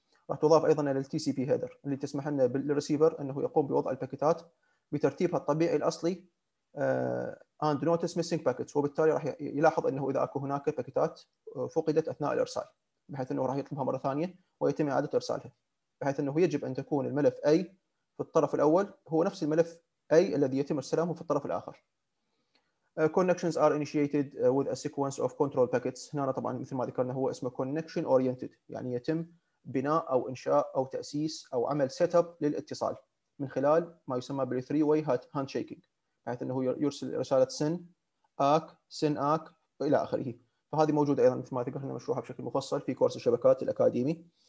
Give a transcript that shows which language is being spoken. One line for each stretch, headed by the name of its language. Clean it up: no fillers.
Arabic: راح تضاف أيضا إلى TCP header اللي تسمح لنا بالريسيفر أنه يقوم بوضع الباكيتات بترتيبها الطبيعي الأصلي
English: and notice missing packets.
Arabic: وبالتالي راح يلاحظ أنه إذا أكو هناك باكيتات فقدت أثناء الإرسال، بحيث أنه راح يطلبها مرة ثانية ويتم إعادة إرسالها، بحيث أنه يجب أن تكون الملف A في الطرف الأول هو نفس الملف أي الذي يتم إرساله في الطرف الآخر.
English: Connections are initiated with a sequence of control packets.
Arabic: هنا طبعاً مثل ما ذكرنا هو اسمه connection oriented، يعني يتم بناء أو إنشاء أو تأسيس أو عمل setup للاتصال من خلال ما يسمى بال three-way handshaking، بحيث أنه يرسل رسالة سن آك سن آك إلى آخره. فهذه موجودة أيضاً مثل ما ذكرنا مشروحة بشكل مفصل في كورس الشبكات الأكاديمي.